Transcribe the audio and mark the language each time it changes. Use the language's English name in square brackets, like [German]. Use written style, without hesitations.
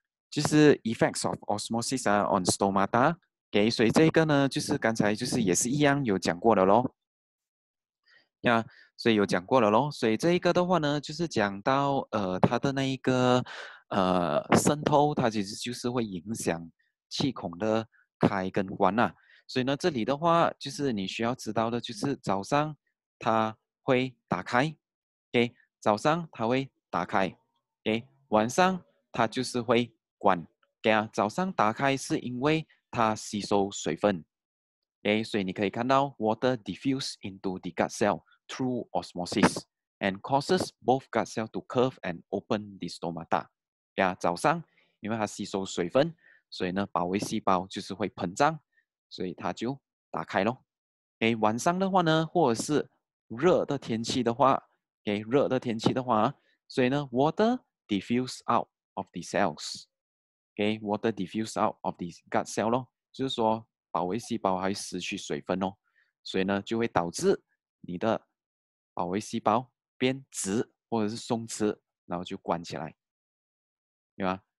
[Chinese] 就是 [English] effects of osmosis on stomata， [Chinese] 给、okay， 所以这个呢，就是刚才就是也是一样有讲过的咯，呀、yeah ，所以有讲过了咯，所以这一个的话呢，就是讲到它的那一个渗透，它其实就是会影响气孔的开跟关呐、啊，所以呢，这里的话就是你需要知道的就是早上它会打开 ，OK。早上它会打开、okay？ 晚上它就是会关、okay？早上打开是因为它吸收水分、okay？ [English] 所以你可以看到 water diffuses into the gut cell through osmosis and causes both gut cells to curve and open the stomata、okay？ [Chinese] 早上因为它吸收水分，所以呢保卫细胞就是会膨胀，所以它就打开咯、okay？晚上的话呢，或者是热的天气的话，给、okay， 热的天气的话，所以呢 ， [English] water diffuse out of the cells， [Chinese] 给、okay， [English] water diffuse out of the gut cell [Chinese] 咯，就是说保卫细胞还失去水分哦，所以呢就会导致你的保卫细胞变直或者是松弛，然后就关起来，对吧？